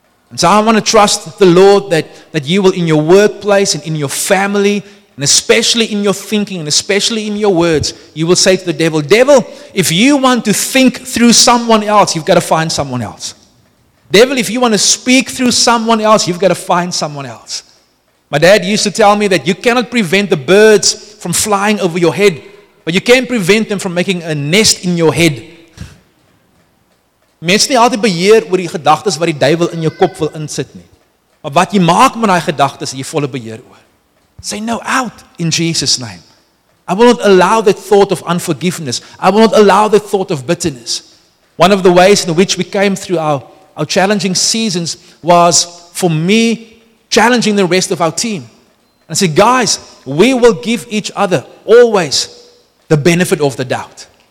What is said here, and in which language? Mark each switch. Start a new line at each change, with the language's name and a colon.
English: And so I want to trust the Lord that you will, in your workplace and in your family, and especially in your thinking, and especially in your words, you will say to the devil, devil, if you want to think through someone else, you've got to find someone else. Devil, if you want to speak through someone else, you've got to find someone else. My dad used to tell me that you cannot prevent the birds from flying over your head, but you can prevent them from making a nest in your head.
Afrikaans: Mens nie altyd beheer oor die gedagtes wat die duivel in jou kop wil insit nie. Maar wat jy maak met die gedagtes, jy volle beheer oor.
English: Say no out in Jesus' name. I will not allow that thought of unforgiveness. I will not allow the thought of bitterness. One of the ways in which we came through our challenging seasons was for me challenging the rest of our team. And I said, guys, we will give each other always the benefit of the doubt.